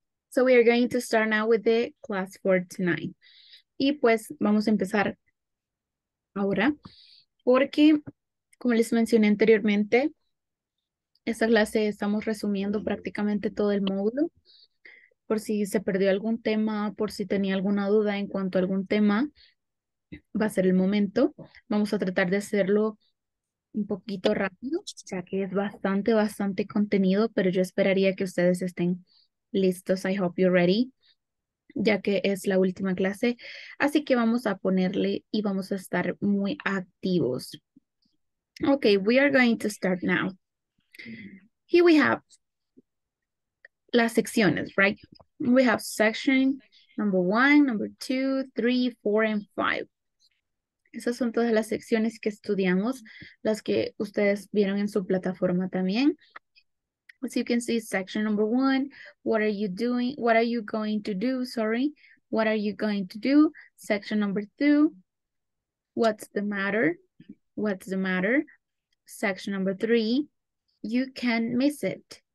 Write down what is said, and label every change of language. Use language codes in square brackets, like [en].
[en] So we are going to start now with the class for tonight. [es] Y pues vamos a empezar ahora porque, como les mencioné anteriormente, esta clase estamos resumiendo prácticamente todo el módulo. Por si se perdió algún tema, por si tenía alguna duda en cuanto a algún tema, va a ser el momento. Vamos a tratar de hacerlo un poquito rápido, ya que es bastante, bastante contenido, pero yo esperaría que ustedes estén listos. [en] I hope you're ready, [es] ya que es la última clase, así que vamos a ponerle y vamos a estar muy activos. [en] Okay, we are going to start now. Here we have [es] las secciones, [en] right? We have section number one, number two, three, four, and five. [es] Esas son todas las secciones que estudiamos, las que ustedes vieron en su plataforma también. [en] As you can see, section number one, what are you doing? What are you going to do? Sorry. What are you going to do? Section number two, what's the matter? What's the matter? Section number three, you can miss it.